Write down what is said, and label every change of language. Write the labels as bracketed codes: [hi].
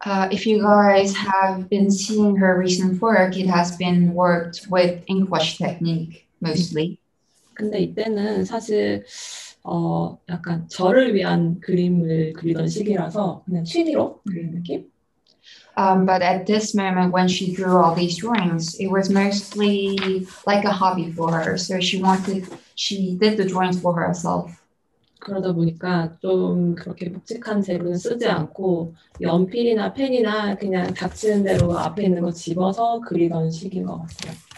[en] If you guys have been seeing her recent work, it has been worked with ink wash technique mostly. [ko] 근데 이때는 사실 약간 저를 위한 그림을 그리던 시기라서 그냥 취미로 그리는 느낌. [en] But at this moment when she drew all these drawings, it was mostly like a hobby for her. So she did the drawings for herself. [ko] 그러다 보니까 좀 그렇게 묵직한 재료는 쓰지 않고 연필이나 펜이나 그냥 닥치는 대로 앞에 있는 거 집어서 그리던 시기인 것 같아요.